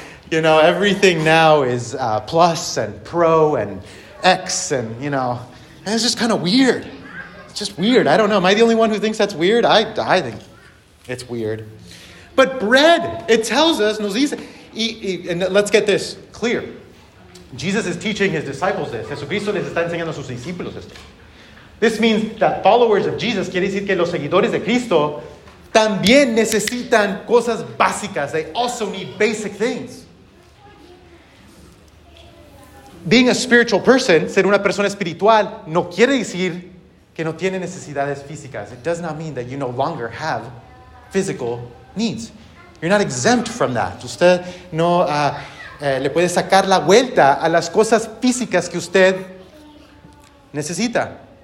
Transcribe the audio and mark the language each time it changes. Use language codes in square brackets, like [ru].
[en] You know, everything now is plus and pro and X and, you know, and it's just kind of weird. It's just weird. I don't know. Am I the only one who thinks that's weird? I think it's weird. But bread, it tells us, [es] nos dice, [en] and let's get this clear. Jesus is teaching his disciples this. [es] Jesucristo les está enseñando a sus discípulos esto. [en] This means that followers of Jesus, [es] quiere decir que los seguidores de Cristo, también necesitan cosas básicas. [en] They also need basic things. Being a spiritual person, [es] ser una persona espiritual, no quiere decir que no tiene necesidades físicas. [en] It does not mean that you no longer have physical needs. You're not exempt from that. [es] Usted no le puede sacar la vuelta a las cosas físicas que usted necesita.